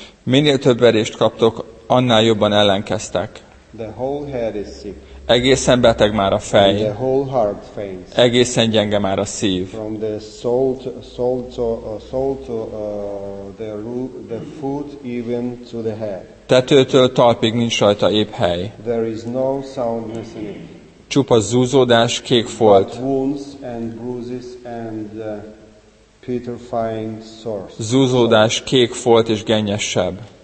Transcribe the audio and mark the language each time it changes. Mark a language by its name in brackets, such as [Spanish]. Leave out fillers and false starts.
[Hungarian] Minél több verést kaptok, annál jobban ellenkeztek. [English] The whole head is sick. [Hungarian] Egészen beteg már a fej. [English] And the whole heart faints. [Hungarian] Egészen gyenge már a szív. [English] From the sole to the foot, even to the head. [Hungarian] Tetőtől talpig nincs rajta épp hely. [English] There is no soundness in it. [Hungarian] Csupa zúzódás, kék folt. [English] Wounds and bruises and putrefying sores. [Hungarian] Zúzódás, kék folt és gennyes seb.